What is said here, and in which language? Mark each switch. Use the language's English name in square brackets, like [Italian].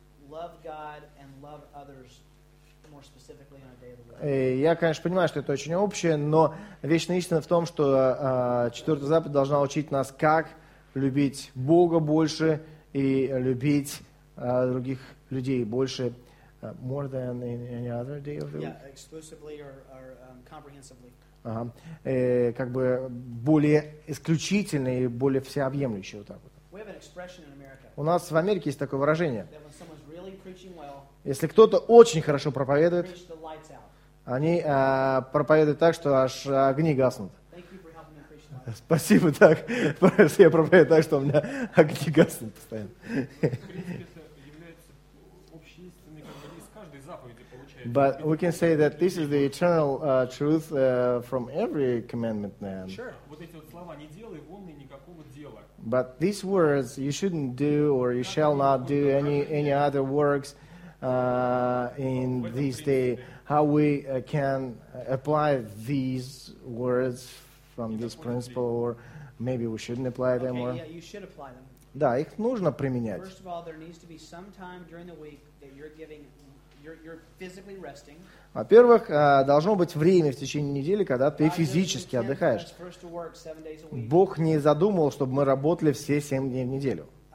[English] Love God and love others more specifically on a day of the week. [Russian] Я, конечно, понимаю, что это очень общее, но вечная истина в том, что четвертая заповедь должна учить нас, как любить Бога больше и любить других людей больше, [English] more than any other day of the week. Yeah, exclusively or comprehensively. [Russian] Ага. Как бы более исключительно и более всеобъемлюще вот так вот. [English] We have an expression in America. [Russian] У нас в Америке есть такое выражение. Well, если кто-то очень хорошо проповедует, они проповедуют так, что аж огни гаснут. Спасибо, так. Я проповедую так, что у меня огни гаснут постоянно. В принципе, это является общественным из каждой заповеди получается. [English] But we can say that this is the eternal truth from every commandment, man. Sure. [Russian] Вот эти вот слова «не делай, вон и никакого дела». [English] But these words, you shouldn't do or you shall not do any other works in this day. How we can apply these words from this principle, or maybe we shouldn't apply them. Okay, yeah, you should apply them. [Russian] Да, их нужно применять. [English] First of all, there needs to be some time during the week that you're giving, you're physically resting. [Russian] Во-первых, должно быть время в течение недели, когда ты физически отдыхаешь. Бог не задумывал, чтобы мы работали все 7 дней в неделю.